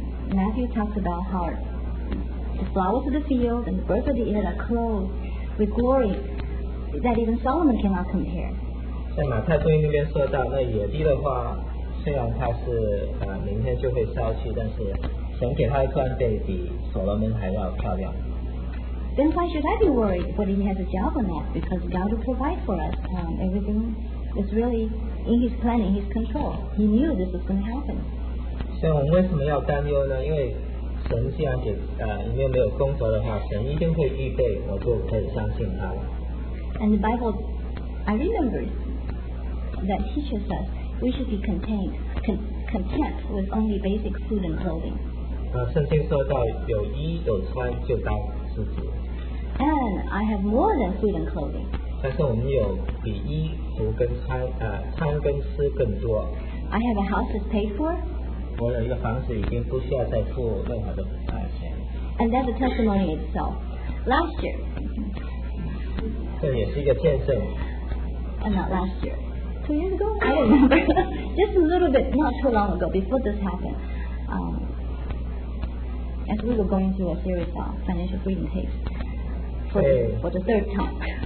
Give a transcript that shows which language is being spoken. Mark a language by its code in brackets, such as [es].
[en] Matthew talks about how the flowers of the field and the birds of the air are clothed with glory that even Solomon cannot compare. [zh] 在马太福音那边说到，那野地的话，虽然它是明天就会消去，但是神给他的冠冕比所罗门还要漂亮。 [en] Then why should I be worried whether he has a job or not? Because God will provide for us. Everything is really in His plan, in His control. He knew this was going to happen. [zh] 所以我们为什么要担忧呢？因为神既然给因为没有工作的话，神一定会预备，我就可以相信他了。 [en] And the Bible, I remember that teaches us we should be content with only basic food and clothing. [zh] 圣经说到有衣有穿就当知足。 [en] And I have more than food and clothing. [zh] 但是我们有比衣服跟穿穿跟吃更多。 [en] I have a house that's paid for. [zh] 我有一个房子已经不需要再付任何的钱。 [en] And that's a testimony itself. Last year. [zh] 这也是一个见证。 [en] And not last year. 2 years ago? I don't remember. Just a little bit, not too long ago, before this happened. As we were going through a series of financial freedom tapes for the third time.